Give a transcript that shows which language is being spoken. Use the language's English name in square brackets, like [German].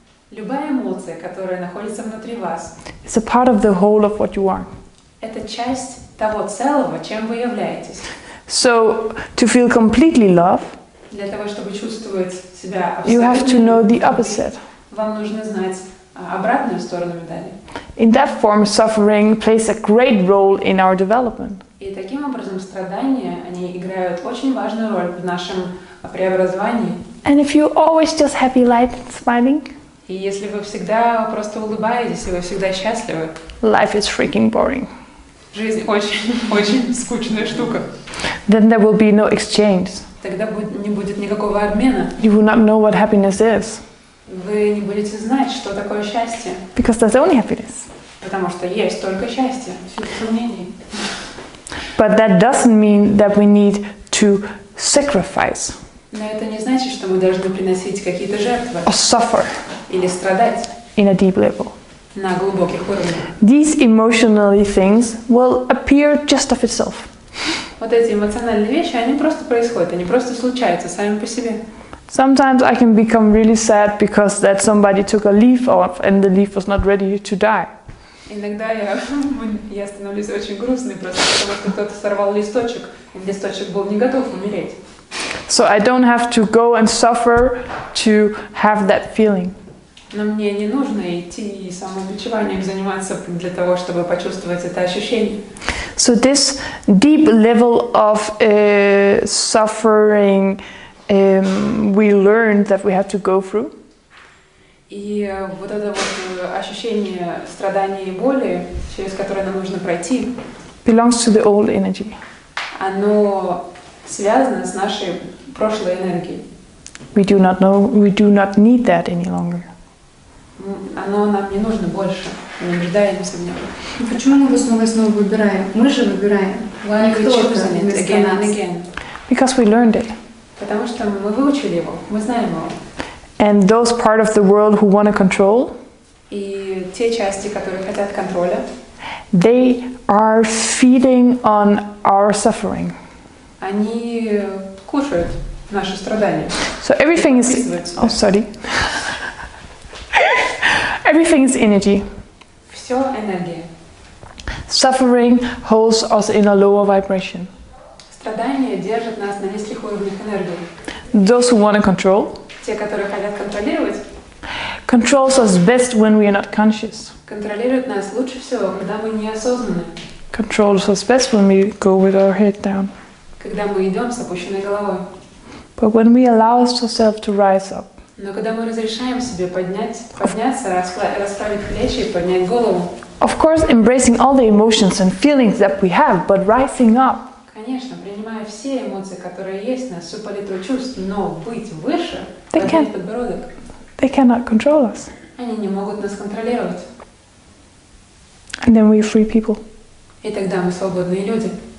[Russian] Любая эмоция, которая находится внутри вас. [English] It's a part of the whole of what you are. [Russian] Это часть того целого, чем вы являетесь. [English] So, to feel completely love, [Russian] для того, чтобы чувствовать себя абсолютно, [English] you have to know the opposite. [Russian] Вам нужно знать обратную сторону медали. [English] In that form, suffering plays a great role in our development. [Russian] И таким образом, страдания, они играют очень важную роль в нашем преобразовании. [English] And if you're always just happy, light, and smiling, [Russian] и если вы всегда просто улыбаетесь, и вы всегда счастливы, [English] life is freaking boring. [Russian] Жизнь очень-очень скучная штука. [English] Then there will be no exchange. [Russian] Тогда не будет никакого обмена. [English] You will not know what happiness is. [Russian] Вы не будете знать, что такое счастье. [English] Because there's only happiness. [Russian] Потому что есть только счастье. [English] But that doesn't mean that we need to sacrifice. [Russian] Но это не значит, что мы должны приносить какие-то жертвы. [English] Or suffer. [Russian] Или страдать. [English] In a deep level. [Russian] На глубоких уровнях. [English] These emotional things will appear just of itself. [Russian] Вот эти эмоциональные вещи, они просто происходят, они просто случаются сами по себе. [English] Sometimes I can become really sad because that somebody took a leaf off and the leaf was not ready to die. [Russian] Иногда я становлюсь очень грустной просто потому что кто-то сорвал листочек, и листочек был не готов умереть. [English] So I don't have to go and suffer to have that feeling. [Russian] Но мне не нужно идти и самобичеванием заниматься для того, чтобы почувствовать это ощущение. [English] So this deep level of suffering we learned that we have to go through. [Russian] И вот это вот ощущение страдания и боли, через которое нам нужно пройти, [English] belongs to the old energy. [Russian] Оно связано с нашей прошлой энергией. [English] We do not know, we do not need that any longer. [Russian] Оно нам не нужно больше. Мы нуждаемся в нем. Почему мы его снова и снова выбираем? Мы же выбираем. Никто это не [English] again. Because we learned it. [Russian] Потому что мы выучили его, мы знаем его. [English] And those part of the world who want to control, [Russian] и те части, которые хотят контроля, [English] they are feeding on our suffering. [Russian] Они кушают наши страдания. [English] So everything is. Oh, sorry. Everything is energy. [Russian] Все энергия. [English] Suffering holds us in a lower vibration. [Russian] Страдания держат нас на низких уровнях энергии. [English] Those who want to control. [Russian] Те, которые хотят контролировать. [English] Controls us best when we are not conscious. [Russian] Контролируют нас лучше всего, когда мы неосознанны. [English] Controls us best when we go with our head down. [Russian] Когда мы идем с опущенной головой. [English] But when we allow ourselves to rise up. [Russian] Но когда мы разрешаем себе расправить плечи и поднять голову. [English] Of course, embracing all the emotions and feelings that we have, but rising up. [Russian] Конечно, принимая все эмоции, которые есть на всю палитру чувств, но быть выше, поднять подбородок. [English] They cannot control us. [Russian] Они не могут нас контролировать. [English] And then we are free people. [Russian] И тогда мы свободные люди.